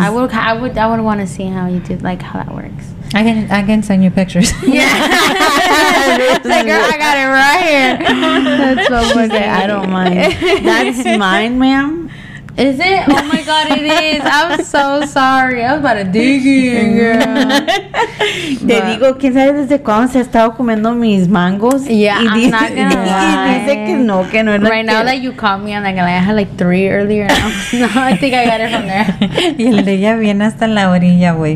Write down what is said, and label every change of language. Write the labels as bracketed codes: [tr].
[en] I would want to see how you do, like how that works. I can send you pictures. Yeah. Like, girl, I got it right here. That's so funny. She's like, I don't mind. That's mine, ma'am. Is it? Oh my god, it is. I'm so sorry. I was about to dig in, girl. [es] Te digo, ¿quién sabe desde cuándo se ha estado comiendo mis mangos? [en] Yeah, I'm not gonna lie. [es] Y dice que no era. [en] Right now that you caught me, I'm like, I had like 3 earlier. No, I think I got it from there. [es] Y el de ella viene hasta la orilla, güey.